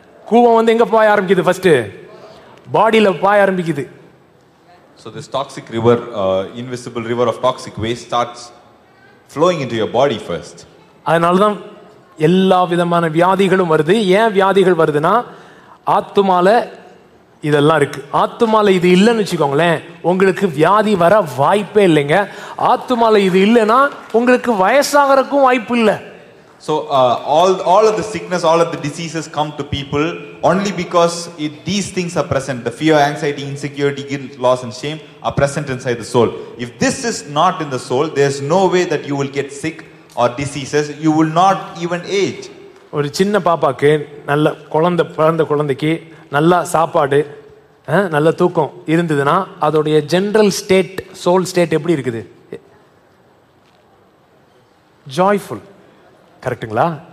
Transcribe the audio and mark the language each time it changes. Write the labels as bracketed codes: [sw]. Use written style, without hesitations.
[ta] கூவம் வந்து எங்க பாய ஆரம்பிக்குது, ஃபர்ஸ்ட் பாடியில பாய ஆரம்பிக்குது. [en] So this toxic river, invisible river of toxic waste starts flowing into your body first. [ta] அதனாலதான் எல்லா விதமான வியாதிகளும் வருது. ஏன் வியாதிகள் வருதுன்னா ஆத்துமால இதெல்லாம் இருக்கு. ஆத்துமால இது இல்லைன்னு வச்சுக்கோங்களேன், உங்களுக்கு வியாதி வர வாய்ப்பே இல்லைங்க. ஆத்துமால இது இல்லைனா உங்களுக்கு வயசாகறதுக்கும் வாய்ப்பு இல்லை. [en] So all of the sickness, all of the diseases come to people only because these things are present. The fear, anxiety, insecurity, guilt, loss and shame are present inside the soul. If this is not in the soul, there's no way that you will get sick or diseases. You will not even age. [ta] ஒரு சின்ன பாப்பாக்கு நல்ல குழந்தை பிறந்த குழந்தைக்கு நல்ல சாப்பாடு நல்ல தூக்கம் இருந்ததுன்னா அதோடைய ஜென்ரல் ஸ்டேட் சோல் ஸ்டேட் எப்படி இருக்குது, ஜாய்ஃபுல், கரெக்டுங்களா?